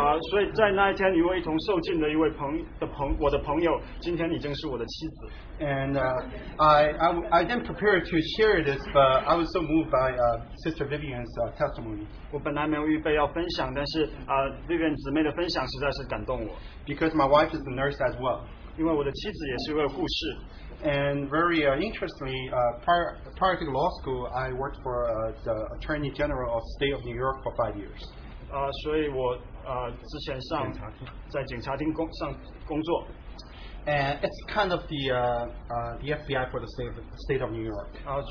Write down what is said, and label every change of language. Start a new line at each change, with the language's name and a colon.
Chinese: 所以在那一天, 一位同受浸的一位朋友, 今天已经是我的妻子。
English: And I didn't prepare to share this, but I was so moved by Sister Vivian's testimony.
Chinese: 我本来没有预备要分享, 但是, Vivian姊妹的分享实在是感动我。
English: Because my wife is a nurse as well.
Chinese: 因为我的妻子也是一位护士。
English: And very interestingly, prior to law school, I worked for the Attorney General of the State of New York for 5 years.
Chinese: 所以我, 之前上, 在警察厅工作。
English: And it's kind of the FBI for the state of New York.